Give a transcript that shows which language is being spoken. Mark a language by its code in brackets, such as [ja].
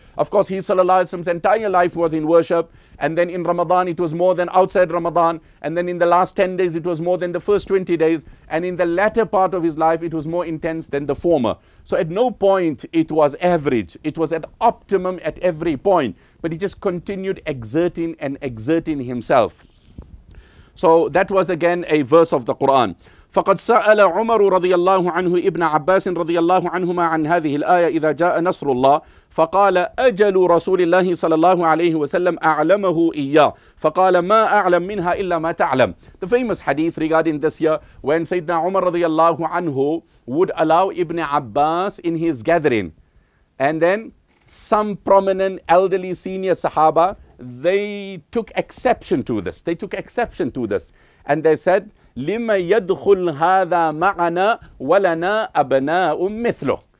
[en] Of course, he sallallahu alayhi wa sallam's entire life was in worship, and then in Ramadan it was more than outside Ramadan, and then in the last 10 days it was more than the first 20 days, and in the latter part of his life it was more intense than the former. So at no point it was average, it was at optimum at every point, but he just continued exerting and exerting himself. So that was again a verse of the Quran. [ar] فقد سأل عمر رضي الله عنه ابن عباس رضي الله عنهما عن هذه الآية إذا جاء نصر الله فقال أجل رسول الله صلى الله عليه وسلم أعلمه إياه فقال ما أعلم منها إلا ما تعلم. [en] The famous hadith regarding this year when Sayyidina Umar رضي الله عنه would allow Ibn Abbas in his gathering, and then some prominent elderly senior Sahaba, they took exception to this. They took exception to this and they said, [ar] لِمَ يَدْخُلْ هَذَا مَعَنَا وَلَنَا أَبْنَاءٌ مِثْلُهُ.